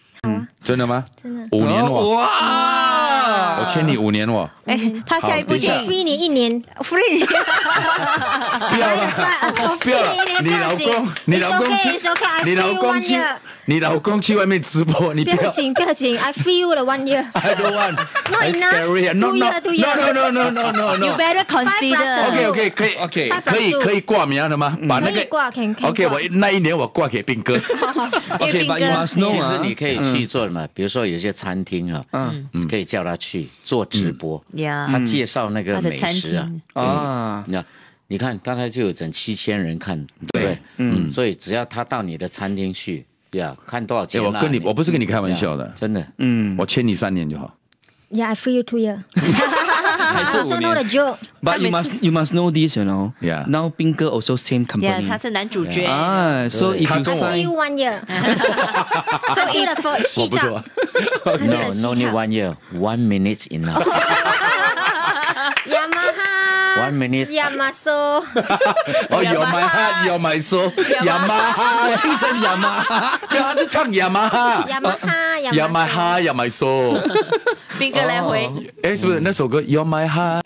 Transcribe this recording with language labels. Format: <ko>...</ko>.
<zh>好啊。真的吗？真的。五年哇。哇，我签你五年哦。哎，他下一部电影，free你一年</zh> <en>，free。</en> <zh>不要了，不要了，你老公，你老公去，你老公去，你老公去外面直播，你不要紧，不要紧 ，</zh> <en>I free you the 1 year。 No no no no no no no no. You better consider.</en> <zh>OK OK 可以</zh> <en>OK</en> <zh>可以挂名了吗？把那个挂 OK， 我那一年我挂给斌哥。</zh> <en>OK， 把 you must know</en> <zh>其实你可以去做嘛，比如说有些餐厅啊，可以叫他去做直播。</zh> <en>Yeah,</en> <zh>他介绍那个美食啊，啊，你看刚才就有整7000人看，对，所以只要他到你的餐厅去，看多少钱、啊？我跟你，我不是跟你开玩笑的，真的，我签你3年就好。</zh> <en>Yeah, I free you 2 years. I also know the joke. But you must know this, you know. Yeah. Now, Bingo also same company.</en> <zh>Yeah, 他是男主角。</zh> <en>Yeah. Ah, so if you sign only 1 year. So eat the food.</en> <zh>我不做。</zh> <en>No, only 1 year. 1 minute enough. Yamaha. 1 minute. Yamaso. Oh, you're my heart, you're my soul. Yamaha.</en> <zh>听成 Yamaha， 因为他是唱 Yamaha。</zh> <en>Yamaha, you're my soul.</en> <zh>兵哥来回。哎、是不是那首歌</zh> <en>You're my heart,</en>